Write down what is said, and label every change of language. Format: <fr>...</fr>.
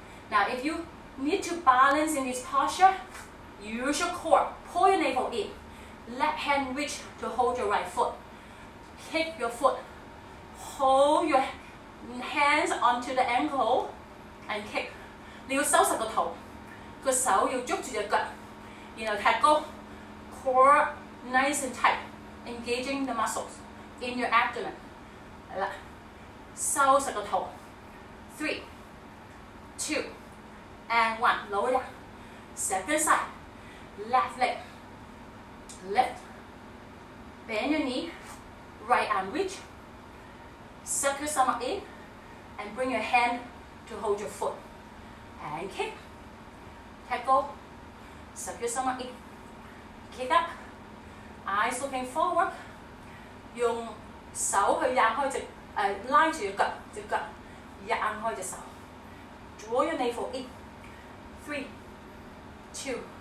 <en>Now if you need to balance in this posture, use your core, pull your navel in. Left hand reach to hold your right foot. Kick your foot. Hold your hands onto the ankle and kick.</en> <yue>你要收拾个头，个手要捉住只脚，然后踢高。</yue> <en>Core nice and tight, engaging the muscles in your abdomen.</en> <yue>来啦，收拾个头。</yue> <en>Three, two, and one. Lower down. Second side. Left leg, lift, bend your knee, right arm reach, suck your stomach in, and bring your hand to hold your foot, and kick, tackle, suck your stomach in, kick up, eyes looking forward,</en> <yue>用手去压开只拉住只脚，只脚压开只手，</yue> <en>draw your navel in, three, two.</en>